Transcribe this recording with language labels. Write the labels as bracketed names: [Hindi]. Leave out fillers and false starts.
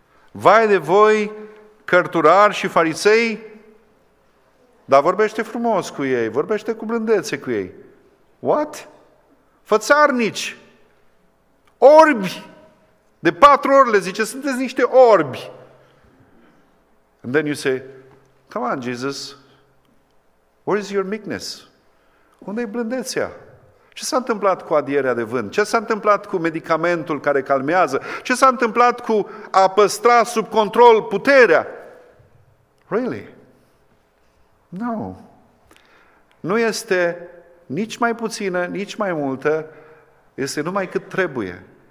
[Romanian] Vai de voi, cărturari și farisei! Dar vorbește frumos cu ei, vorbește cu blândețe cu ei. What? Fățarnici! Orbi! De 4 ori le zice, sunteți niște orbi! [English] And then you say, come on, Jesus, where is your meekness? [Romanian] Unde-i blândețea? Ce s-a întâmplat cu adierea de vânt? Ce s-a întâmplat cu medicamentul care calmează? Ce s-a întâmplat cu a păstra sub control puterea? [English] Really? No. [Romanian] Nu este nici mai puțină, nici mai multă, este numai cât trebuie.